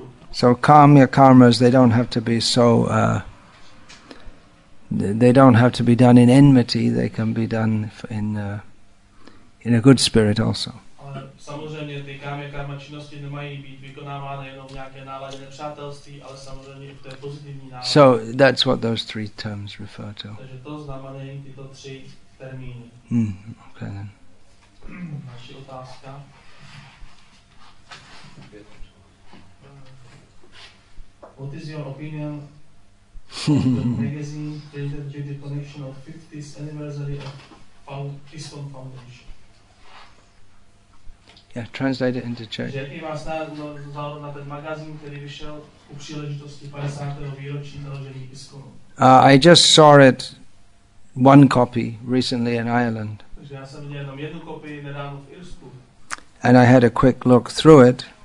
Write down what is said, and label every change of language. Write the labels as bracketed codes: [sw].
[en] So kamya karmas, they don't have to be so they don't have to be done in enmity, they can be done in a good spirit also. [cs] Samozřejmě ty kamya karma činnosti nemají být vykonávány jenom nějaké náladě nepřátelství, ale samozřejmě v té pozitivní náladě. [en] So that's what those three terms refer to. [cs] Takže to znamenají tyto tři termíny. [en] Okay then. [cs] Další otázka. [en] What is your opinion of the magazine dated due to donation of 50th anniversary of Keystone Foundation? Yeah, translate it into Czech. [cs] Jaký vás vzal na ten magazín, který vyšel u příležitosti 50. výročí založení Keystone? [en] I just saw it one copy recently in Ireland. [cs] Takže já jsem měl jenom jednu kopii nedávno v Irsku. [en] And I had a quick look through it.